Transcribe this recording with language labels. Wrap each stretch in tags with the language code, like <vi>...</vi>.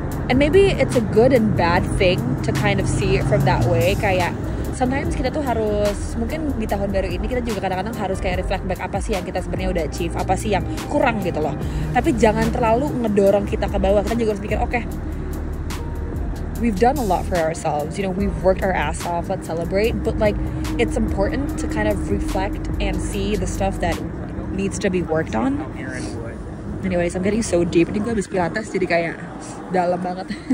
<en>And maybe it's a good and bad thing to kind of see it from that way.</en> <id>Kayak sometimes kita tuh harus, mungkin di tahun baru ini kita juga kadang-kadang harus kayak</id> <en>reflect back</en> <id>apa sih yang kita sebenarnya udah achieve, apa sih yang kurang gitu loh. Tapi jangan terlalu ngedorong kita ke bawah. Kita juga harus pikir, okay,</id> <en>we've done a lot for ourselves, you know, we've worked our ass off, let's celebrate. But like, it's important to kind of reflect and see the stuff that needs to be worked on. Anyways, I'm getting so deep.</en> <id>Ini gue habis pilates jadi kayak dalam banget.</id>